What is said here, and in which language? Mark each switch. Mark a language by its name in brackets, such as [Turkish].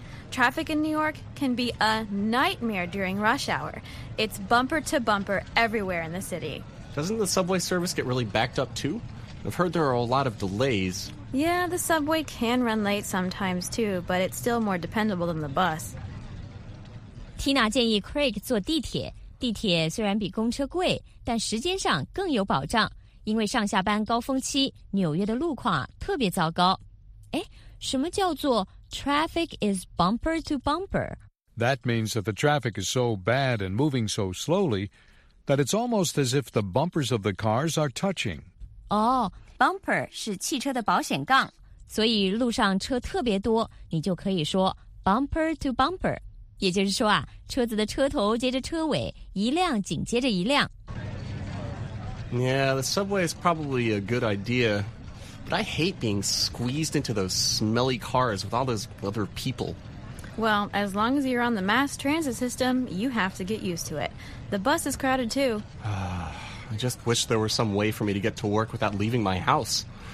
[English] Traffic in New York can be a nightmare during rush hour. It's bumper to bumper everywhere in the city. Doesn't the subway service get really backed up, too? I've heard there are a lot of delays. Yeah, the subway can run late sometimes, too, but it's still more dependable than the bus. [Chinese] Tina 建议 Craig 坐地铁。地铁虽然比公车贵，但时间上更有保障，因为上下班高峰期，纽约的路况特别糟糕。哎，什么叫做 [English] traffic is bumper to bumper? That means that the traffic is so bad and moving so slowly that it's almost as if the bumpers of the cars are touching. [Chinese] Oh, bumper 是汽车的保险杠，所以路上车特别多，你就可以说 [English] bumper to bumper。 [Chinese] 也就是说啊，车子的车头接着车尾，一辆紧接着一辆。 [English] Yeah, the subway is probably a good idea, but I hate being squeezed into those smelly cars with all those other people. Well, as long as you're on the mass transit system, you have to get used to it. The bus is crowded too. I just wish there were some way for me to get to work without leaving my house.